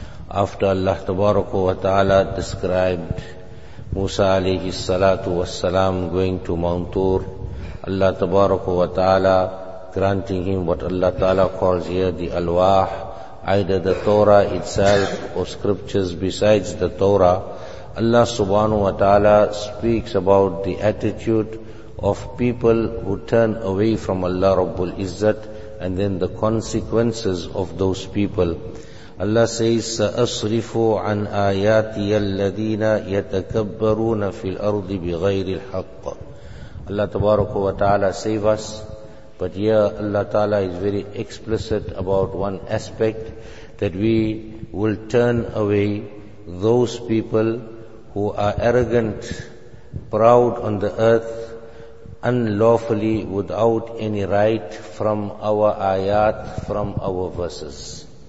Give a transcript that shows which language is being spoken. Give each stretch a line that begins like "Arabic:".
English: After Allah Tabaraka wa Ta'ala described Musa alayhi salatu was salam going to Mount Tur, Allah Tabaraka wa Ta'ala granting him what Allah Ta'ala calls here the Alwah, either the Torah itself or scriptures besides the Torah, Allah Subhanahu wa Ta'ala speaks about the attitude of people who turn away from Allah Rabbul Izzat and then the consequences of those people. Allah says,
Arabic: سَأَصْرِفُ عَنْ آيَاتِيَ الَّذِينَ يَتَكَبَّرُونَ فِي الْأَرْضِ بِغَيْرِ الْحَقِّ.
English: Allah Tabaraka wa Ta'ala save us. But here Allah Ta'ala is very explicit about one aspect, that we will turn away those people who are arrogant, proud on the earth, unlawfully, without any right, from our ayat, from our verses.